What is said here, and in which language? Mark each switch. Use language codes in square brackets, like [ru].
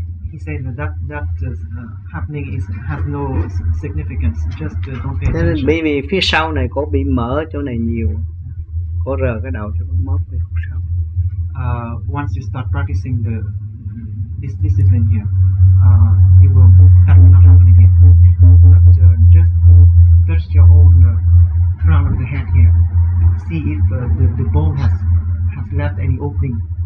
[en] He said that that's happening is has no significance, just don't pay attention. [vi] Thế nên phía sau này cổ bị mở chỗ này nhiều, cổ rờ cái đầu cho nó móp đi không sao. [en] Once you start practicing the this discipline here, you will that will not happen again. But just touch your own crown of the head here, see if the bone has left any opening.